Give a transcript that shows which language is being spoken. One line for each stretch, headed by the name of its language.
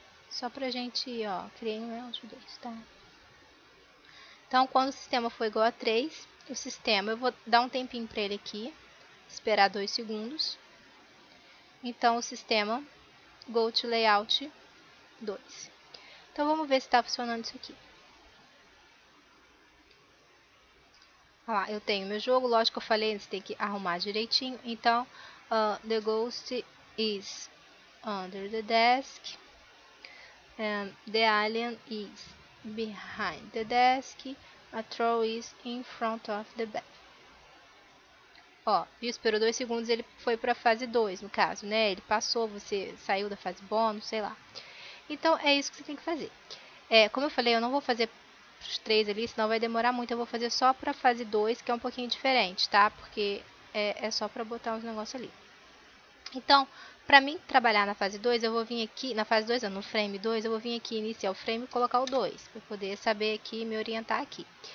Portuguese: Só pra gente, ó, criei um layout 2, tá? Então, quando o sistema foi igual a 3, o sistema, eu vou dar um tempinho pra ele aqui, esperar 2 segundos. Então, o sistema Go to Layout 2. Então, vamos ver se está funcionando isso aqui. Olha lá, eu tenho meu jogo. Lógico que eu falei, você tem que arrumar direitinho.
English: Então, the ghost is under the desk. The alien is behind the desk. A troll is in front of the bed.
Portuguese: Ó, viu? Esperou 2 segundos, ele foi pra fase 2, no caso, né? Ele passou, você saiu da fase bônus, sei lá. Então, é isso que você tem que fazer. É, como eu falei, eu não vou fazer os três ali, senão vai demorar muito. Eu vou fazer só pra fase 2, que é um pouquinho diferente, tá? Porque é só pra botar os negócios ali. Então, pra mim trabalhar na fase 2, eu vou vir aqui, na fase 2, no frame 2, eu vou vir aqui iniciar o frame e colocar o 2, pra poder saber aqui e me orientar aqui.